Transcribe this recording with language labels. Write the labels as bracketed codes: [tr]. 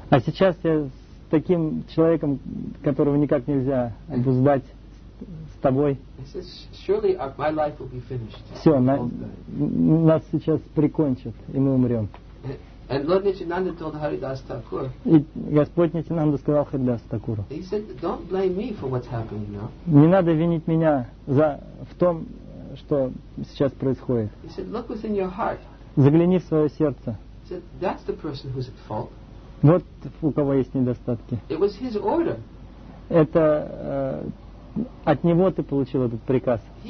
[ru] А сейчас я с таким человеком, которого никак нельзя обуздать. С тобой. [en] Surely my life will be finished. [ru] Все, нас сейчас прикончат, и мы умрем. [en] And Lord Nityananda told Haridas Thakur. [ru] И Господь Нитинанда сказал Харидасу Такуру. [en] He said, "Don't blame me for what's happening now." [ru] Не надо винить меня в том, что сейчас происходит. [en] He said, "Look within your heart." [ru] Загляни в свое сердце. [en] He said, "That's the person who's at fault." [ru] Вот у кого есть недостатки. [en] It was his order. [ru] Это от него ты получил этот приказ.